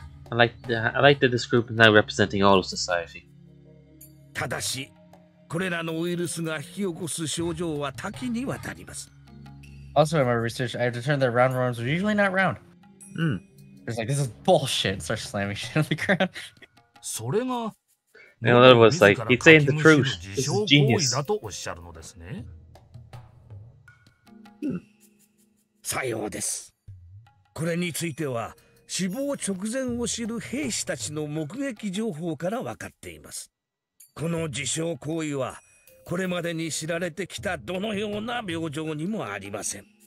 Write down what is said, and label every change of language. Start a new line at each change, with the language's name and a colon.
English: I like that this group is now representing all of society.
Japanese: ただし、これらのウイルスが引き起こす症状は多岐にわたります。
English: Also, in my research, I determined that round worms are usually not round. It's like, this is bullshit. Start slamming shit on the ground.
Japanese: それが、
English: in other words, like, he's saying the truth. This is genius.
Japanese: だとおっしゃるのですね。さようです。これについては、死亡直前を知る兵士たちの目撃情報からわかっています。この自傷行為はこれまでに知られてきたどのような病状にもありません。